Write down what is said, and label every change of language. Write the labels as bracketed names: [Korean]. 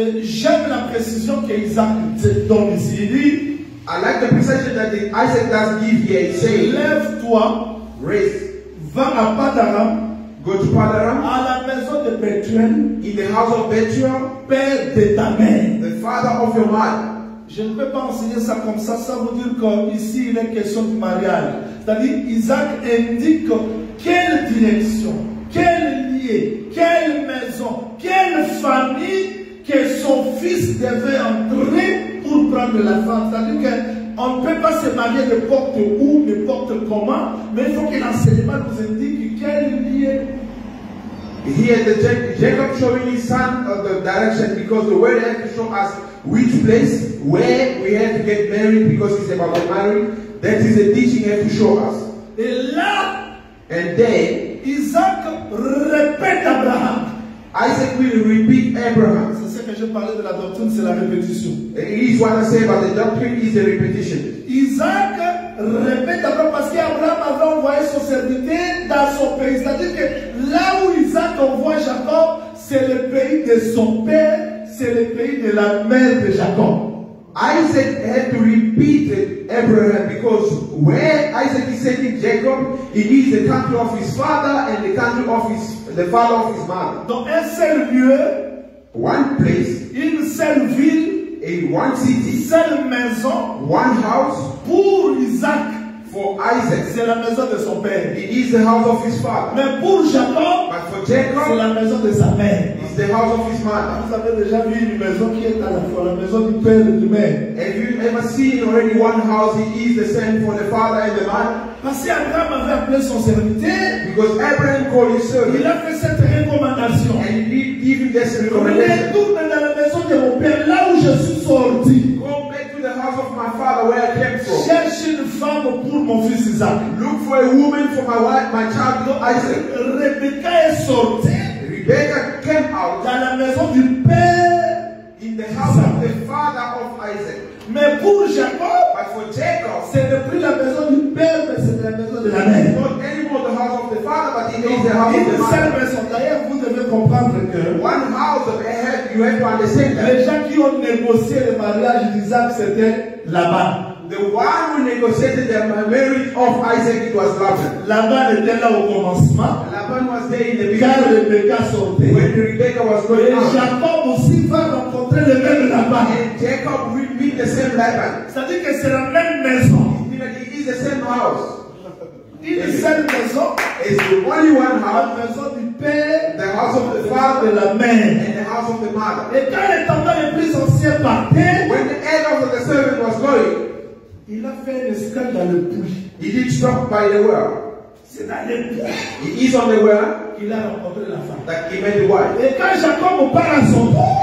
[French] J'aime la précision qu'Isaac donne ici. Il dit, [English] I like the precision that Isaac does give here. He says, [French] lève-toi, [English] raise, [French] va à Padaram, [English] go to Padaram, [French] à la maison de Bethuel, [English] in the house of Bethuel, [French] père de ta mère, [English] the father of your mother. [French] Je ne peux pas enseigner ça comme ça. Ça veut dire qu'ici, il est question du mariage. C'est-à-dire, Isaac indique quelle direction, quel lieu, quelle maison, quelle famille que son fils devait entrer pour prendre la femme. C'est-à-dire qu'on ne peut pas se marier n'importe où, n'importe comment, mais il faut que l'enseignement nous indique quel lieu. [English] Here, the Jacob showing his son of the direction because the word has to show us which place, where we have to get married because it's about the marriage. That is the teaching he has to show us. [French] Et là, [English] and then, [French] Isaac répète Abraham. [English] Isaac will repeat Abraham. [French] C'est ce que je parlais de la doctrine, c'est la répétition. [English] And it is what I say about the doctrine, is the repetition. [French] Isaac répète Abraham parce qu'Abraham avait envoyé son serviteur dans son pays. C'est-à-dire que là où Isaac envoie Jacob, c'est le pays de son père, c'est le pays de la mère de Jacob. [English] Isaac had to repeat Abraham because where Isaac is sending Jacob, it is the country of his father and the country of his the father of his mother. [French] Dans un seul lieu, [English] one place, [French] une seule ville, [English] in one city, [French] seule maison, [English] one house, [French] pour Isaac, [English] for Isaac, [French] c'est la maison de son père. [English] It is the house of his father. [French] Mais pour Jacob, [English] but for Jacob, [French] c'est la maison de sa mère. [English] It's the house of his mother. [French] Vous avez déjà vu une maison qui est à la fois la maison du père et du mère? [English] Have you ever seen already one house? It is the same for the father and the mother. [French] Parce qu'Abraham avait appelé son serviteur. [English] Because Abraham called his servant. [French] Il a fait cette recommandation. [English] And he did give him this recommendation. [French] Venez dans la maison de mon père, là où je suis sorti. [English] Go back to the house of my father where I came from. [French] Cherche une femme pour mon fils Isaac. [English] Look for a woman for my wife, my child Isaac. [French] Rebecca est sortie. [English] Rebecca came out. [French] Dans la maison du père. [English] In the house Isaac. Of the father of Isaac. [French] Mais pour Jacob, [English] but for Jacob, [French] ce n'est plus la maison du père, mais c'est la maison de la mère. [English] It's not anymore the house of the father, but it is the house of the mother. [French] Une seule maison. D'ailleurs, vous devez comprendre que [English] one house of Ahab, you have to understand that. [French] Les gens qui ont négocié le mariage d'Isaac, c'était là-bas. [English] The one who negotiated the marriage of Isaac, it was Laban. [French] Laban était là au commencement. [English] Laban was there in the beginning. [French] Quand Rebecca sortait. [English] When Rebecca was going out. [French] Et Jacob aussi va rencontrer le même Laban. [English] And Jacob will meet the same Laban. [French] C'est-à-dire que c'est la même maison. [English] It is the same house. [French] Une seule maison. [English] It's the only one house. [French] La maison du père. [English] The house of the father. [French] De la mère. [English] And the house of the mother. [French] Et quand les tendons les plus anciens partaient. [English] When the head of the servant was going. [French] Il a fait un escale dans le puits. [English] He did stop by the well. [French] C'est dans le puits. [English] He is on the well. [French] Il a rencontré la femme. [English] That he met the wife. [French] Et quand Jacob part à son tour,